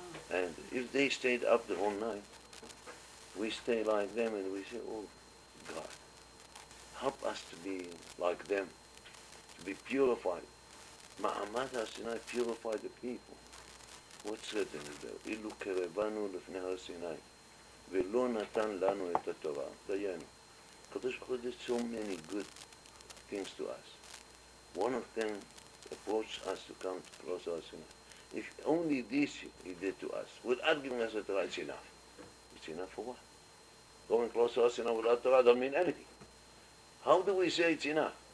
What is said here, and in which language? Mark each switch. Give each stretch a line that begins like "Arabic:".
English: And if they stayed up the whole night, we stay like them and we say, oh God, help us to be like them, to be purified. Ma'amad HaSinai purified the people. What's written in there?
Hebrew: Ilu kerevanu lefne HaSinai. ולא נתן לנו את התורה, דיינו.
English: הקדוש ברוך הוא did so many good things to us. One of them approached us to come across our sinai. If only this he did to us, without giving us a Torah, it's enough. It's enough for what? Going close to our sinai without Torah doesn't mean anything. How do we say it's enough?